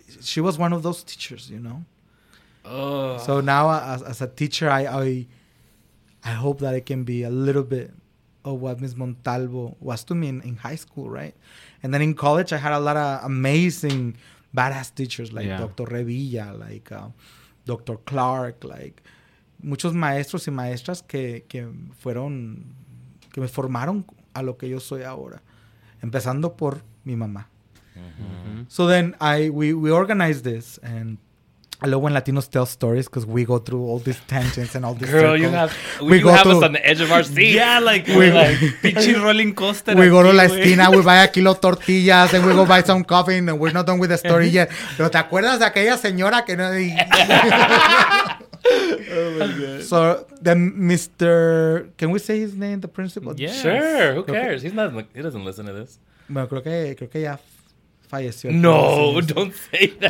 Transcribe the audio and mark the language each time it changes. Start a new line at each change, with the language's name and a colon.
English: She was one of those teachers, you know? Ugh. So now as a teacher, I hope that it can be a little bit of what Ms. Montalvo was to me in high school, right? And then in college, I had a lot of amazing, badass teachers like Dr. Revilla, like Dr.
Spanish: Clark, like muchos maestros y maestras que me formaron a lo que yo soy ahora, empezando por mi mamá. Mm-hmm.
English: So then we organized this, and I love when Latinos tell stories because we go through all these tangents and all these circles. Girl, you have us on the edge of our seat. Yeah, like we're pinchy rolling coaster. We go to La Esquina, we buy a kilo of tortillas, and we go buy some coffee, and we're not done with the story yet.
Spanish: Pero te acuerdas de aquella señora que no...
English: Oh my God. So then Mr... Can we say his name, the principal? Yeah, yes. Sure. Who cares? He doesn't listen to this.
Spanish: Bueno, creo que ya... Falleció.
English: No, don't say that.